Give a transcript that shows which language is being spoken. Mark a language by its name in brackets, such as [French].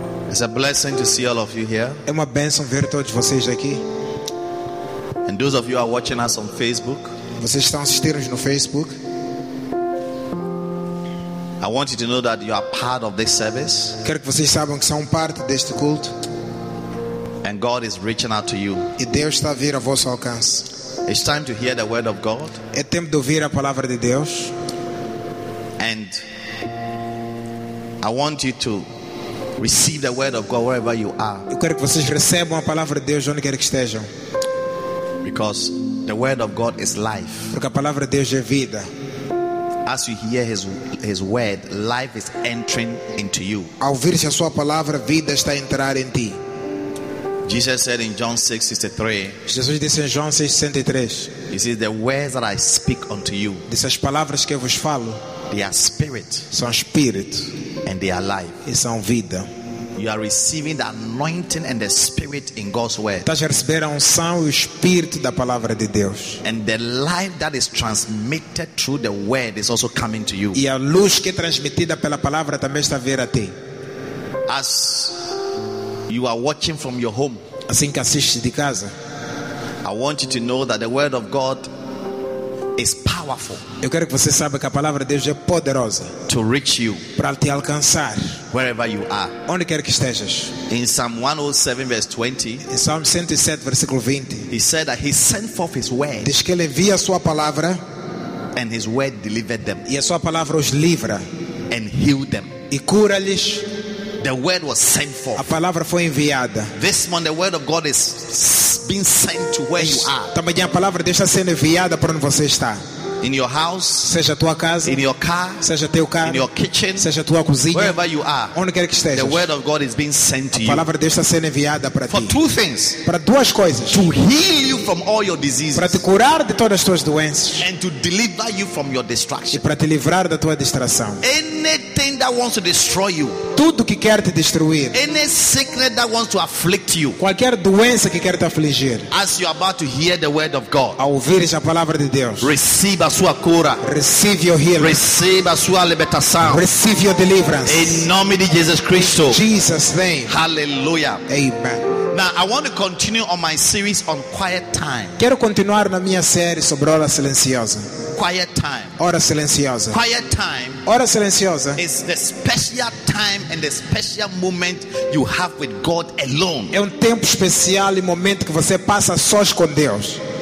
[English] It's a blessing to see all of you here. [Portuguese] É uma bênção ver todos vocês aqui. [English] And those of you are watching us on Facebook. [Portuguese] Vocês estão assistindo no Facebook. [English] I want you to know that you are part of this service. [Portuguese] Quero que vocês saibam que são parte deste culto. [English] And God is reaching out to you. [Portuguese] E Deus está a vir ao vosso alcance. [English] It's time to hear the word of God. [Portuguese] É tempo de ouvir a palavra de Deus. [English] And I want you to receive the word of God wherever you are. [Portuguese] Eu quero que vocês recebam a palavra de Deus onde quer que estejam. [English] Because the word of God is life. [Portuguese] Porque a palavra de Deus é vida. [English] As you hear his word, life is entering into you. [Portuguese] Ao ouvir a sua palavra, vida está a entrar em ti. [English] Jesus said in John 6:63. [Portuguese] Jesus disse em João 6:63. [English] He says, "The words that I speak unto you." [Portuguese] Disse as palavras que eu vos falo. [English] They are spirit. [Portuguese] São espírito. [English] And they are life. [Portuguese] E são vida. [English] You are receiving the anointing and the spirit in God's word. [Portuguese] Estás a receber a unção e o espírito da palavra de Deus. [English] And the life that is transmitted through the word is also coming to you. [Portuguese] E a luz que é transmitida pela palavra também está a vir a ti. [English] As you are watching from your home. [Portuguese] Assim que assistes de casa. [English] I want you to know that the word of God is powerful. [Portuguese] Eu quero que você saiba que a palavra de Deus é poderosa. [English] To reach you. [Portuguese] Para te alcançar. [English] Wherever you are. [Portuguese] Onde quer que estejas. [English] In Psalm 107 verse 20. [Portuguese] Em Salmo 107 versículo 20. [English] He said that he sent forth his word. [Portuguese] Diz que ele envia a sua palavra. [English] And his word delivered them. [Portuguese] E a sua palavra os livra. [English] And healed them. [Portuguese] E cura-lhes. [English] The word was sent forth. [Portuguese] A palavra foi enviada. [English] This morning the word of God is being sent to where you are. [Portuguese] Também a palavra de Deus está sendo enviada para onde você está. [English] In your house, [Portuguese] seja a tua casa. [English] In your car, [Portuguese] seja teu carro. [English] In your kitchen, [Portuguese] seja a tua cozinha. [English] Wherever you are, [Portuguese] onde quer que estejas. [English] The word of God is being sent to you. [Portuguese] A palavra de Deus está sendo enviada para ti. [English] For two things. [Portuguese] Para duas coisas. [English] To heal you from all your diseases. [Portuguese] Para te curar de todas as tuas doenças. [English] And to deliver you from your distraction. [Portuguese] E para te livrar da tua distração. [English] Anything that wants to destroy you. [Portuguese] Tudo que quer te destruir. [English] Any sickness that wants to afflict you. [Portuguese] Qualquer doença que quer te afligir. [English] As you are about to hear the word of God. [Portuguese] Ao ouvir a palavra de Deus. [English] Receive [Portuguese] a sua cura. [English] Receive your healing. Receive [Portuguese] a sua libertação. [English] Receive your deliverance. [Portuguese] Em nome de Jesus Cristo. [English] In Jesus name. Hallelujah. [Portuguese] Amen. [English] Now I want to continue on my series on quiet time. [Portuguese] Quero continuar na minha série sobre hora silenciosa. [English] Quiet time. [Portuguese] Hora silenciosa. [English] Quiet time. [Portuguese] Hora silenciosa. [English] Is the special time and the special moment you have with God alone. [Portuguese] É tempo especial e momento que você passa sós com Deus.